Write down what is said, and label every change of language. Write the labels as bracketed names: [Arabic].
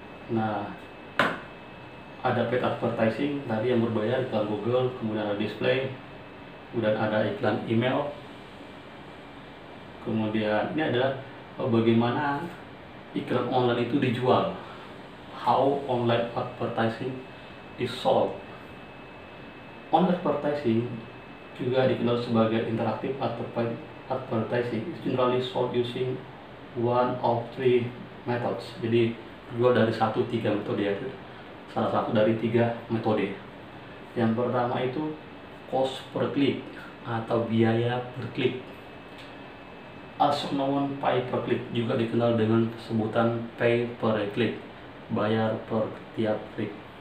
[Indonesian] Nah, ada paid advertising tadi yang berbayar iklan Google, kemudian ada display, kemudian ada iklan email. Kemudian ini adalah bagaimana iklan online itu dijual. [English] How online advertising is sold. [Indonesian] Online advertising juga dikenal sebagai interactive advertising. [English] It's generally sold using one of three methods. [Indonesian] Jadi dua dari satu tiga metode ya. Salah satu dari tiga metode. Yang pertama itu cost per click atau biaya per klik. [English] Also known pay per click, [Indonesian] juga dikenal dengan sebutan pay per click, bayar per tiap klik.